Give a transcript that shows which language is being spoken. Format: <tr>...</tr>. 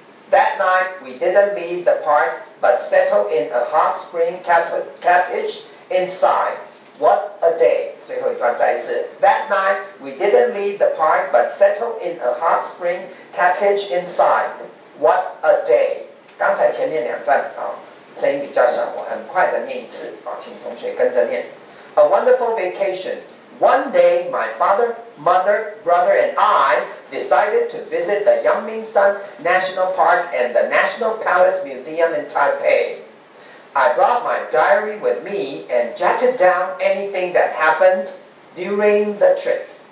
<en>That night, we didn't leave the park, but settled in a hot spring cottage inside. What a day!</en> <zh>最后一段再一次。</zh> <en>That night, we didn't leave the park, but settled in a hot spring cottage inside. What a day!</en> <zh>刚才前面两段、哦、声音比较小，我很快的念一次、哦、请同学跟着念。</zh> <en>A wonderful vacation. One day, my father, mother, brother, and I decided to visit the Yangmingshan National Park and the National Palace Museum in Taipei. I brought my diary with me and jotted down anything that happened during the trip.</en>